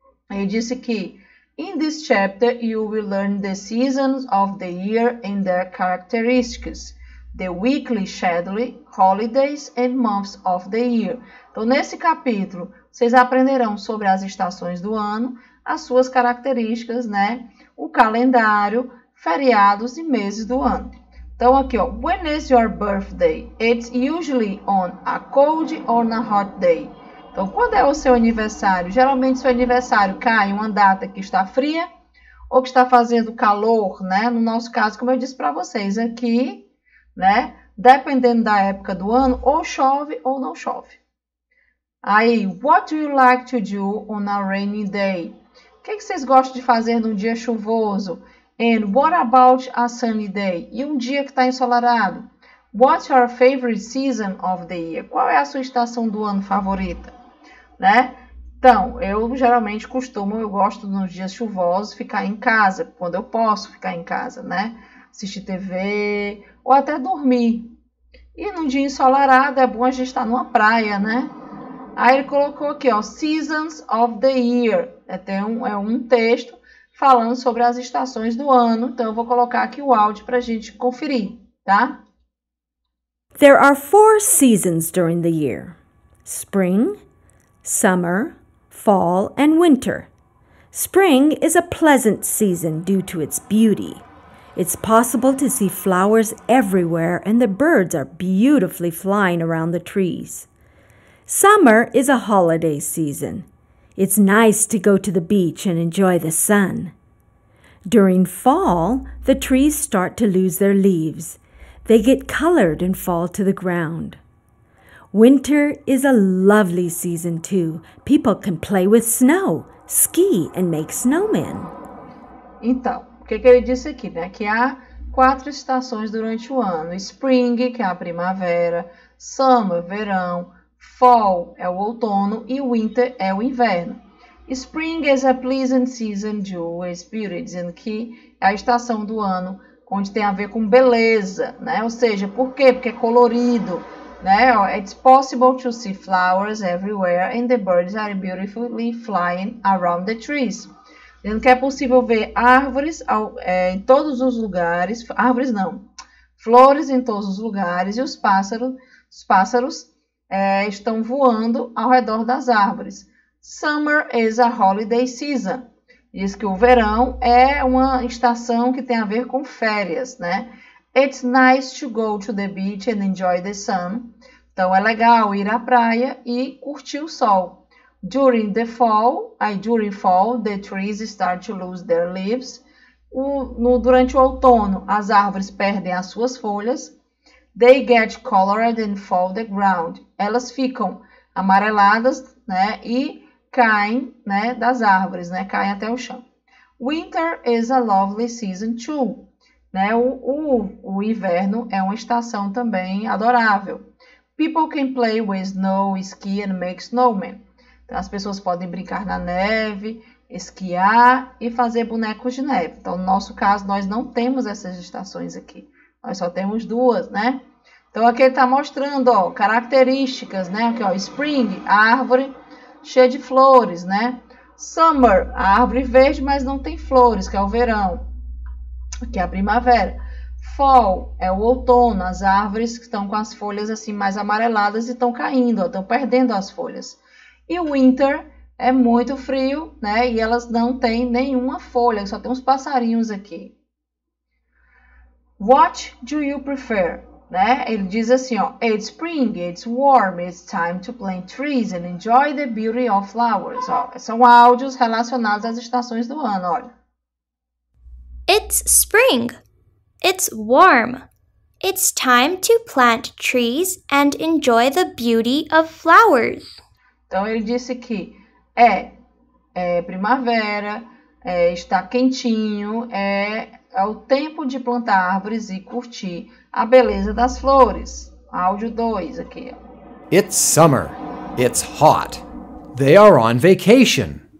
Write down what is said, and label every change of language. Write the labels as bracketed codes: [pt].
[pt] Ele disse que [en] in this chapter you will learn the seasons of the year and their characteristics, the weekly schedule, holidays and months of the year. [pt] Então, nesse capítulo, vocês aprenderão sobre as estações do ano, as suas características, né? O calendário, feriados e meses do ano. Então, aqui, ó. [en] When is your birthday? It's usually on a cold or a hot day. [pt] Então, quando é o seu aniversário? Geralmente, seu aniversário cai em uma data que está fria ou que está fazendo calor, né? No nosso caso, como eu disse para vocês aqui, né? Dependendo da época do ano, ou chove ou não chove. [en] Aí, what do you like to do on a rainy day? [pt] O que vocês gostam de fazer num dia chuvoso? [en] And what about a sunny day? [pt] E um dia que está ensolarado? [en] What's your favorite season of the year? [pt] Qual é a sua estação do ano favorita? Né? Então, eu geralmente costumo, eu gosto nos dias chuvosos ficar em casa, quando eu posso ficar em casa, né? Assistir TV ou até dormir. E num dia ensolarado é bom a gente estar numa praia, né? Aí ele colocou aqui, ó, Seasons of the Year. É um texto falando sobre as estações do ano. Então, eu vou colocar aqui o áudio para a gente conferir, tá? [en] There are four seasons during the year: spring, summer, fall, and winter. Spring is a pleasant season due to its beauty. It's possible to see flowers everywhere, and the birds are beautifully flying around the trees. Summer is a holiday season. It's nice to go to the beach and enjoy the sun. During fall, the trees start to lose their leaves. They get colored and fall to the ground. Winter is a lovely season too. People can play with snow, ski, and make snowmen. [pt] Então, o que que ele disse aqui, né? Que há quatro estações durante o ano. Spring, que é a primavera, summer, verão, fall é o outono e winter é o inverno. [en] Spring is a pleasant season due to its beauty, [pt] dizendo que é a estação do ano onde tem a ver com beleza, né? Ou seja, por quê? Porque é colorido, né? [en] It's possible to see flowers everywhere and the birds are beautifully flying around the trees. [pt] Dizendo que é possível ver árvores em todos os lugares, árvores não, flores em todos os lugares e os pássaros estão voando ao redor das árvores. [en] Summer is a holiday season. [pt] Diz que o verão é uma estação que tem a ver com férias, né? [en] It's nice to go to the beach and enjoy the sun. [pt] Então, é legal ir à praia e curtir o sol. [en] During fall, the trees start to lose their leaves. [pt] Durante o outono, as árvores perdem as suas folhas. [en] They get colored and fall the ground. [pt] Elas ficam amareladas, né, e caem, né, das árvores, né, caem até o chão. [en] Winter is a lovely season too. [pt] Né, o inverno é uma estação também adorável. [en] People can play with snow, ski and make snowmen. [pt] Então, as pessoas podem brincar na neve, esquiar e fazer bonecos de neve. Então, no nosso caso, nós não temos essas estações aqui. Nós só temos duas, né? Então, aqui ele está mostrando, ó, características, né? Aqui, ó, spring, árvore cheia de flores, né? Summer, a árvore verde, mas não tem flores, que é o verão. Aqui é a primavera. Fall é o outono, as árvores que estão com as folhas assim mais amareladas e estão caindo, estão perdendo as folhas. E winter é muito frio, né? E elas não têm nenhuma folha, só tem uns passarinhos aqui. [en] What do you prefer? Né? [pt] Ele diz assim, ó, [en] it's spring, it's warm, it's time to plant trees and enjoy the beauty of flowers. [pt] Ó, são áudios relacionados às estações do ano, olha. [en] It's spring. It's warm. It's time to plant trees and enjoy the beauty of flowers. [pt] Então ele disse que é primavera, está quentinho, é o tempo de plantar árvores e curtir a beleza das flores. Áudio 2 aqui. [en] It's summer. It's hot. They are on vacation.